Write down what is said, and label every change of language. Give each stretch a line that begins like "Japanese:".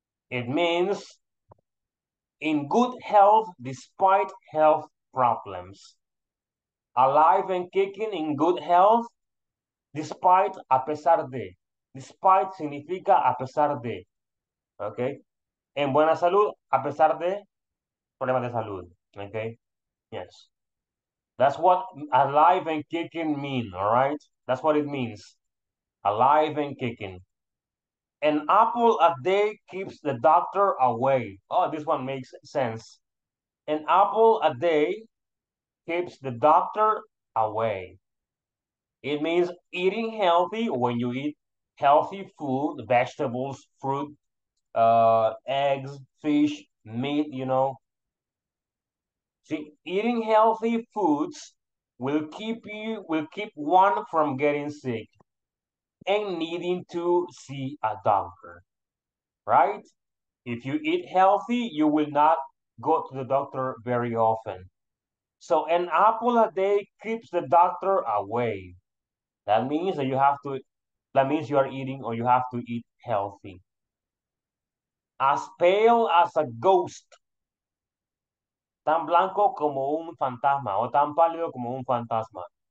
English: It means in good health despite health problems. Alive and kicking, in good health, despite,
Spanish: a pesar de. Despite significa a pesar de. Okay? En buena salud, a pesar de problemas de salud.
English: Okay? Yes. That's what alive and kicking mean, all right? That's what it means. Alive and kicking. An apple a day keeps the doctor away. Oh, this one makes sense. An apple a day keeps the doctor away. It means eating healthy. When you eat healthy food, vegetables, fruit, eggs, fish, meat, you know. See, eating healthy foods will keep one from getting sick and needing to see a doctor, right? If you eat healthy, you will not go to the doctor very often. So an apple a day keeps the doctor away. That means that you have to, that means you are eating or you have to eat healthy. As pale as a ghost.
Spanish: Tan blanco como un fantasma o tan pálido como un fantasma.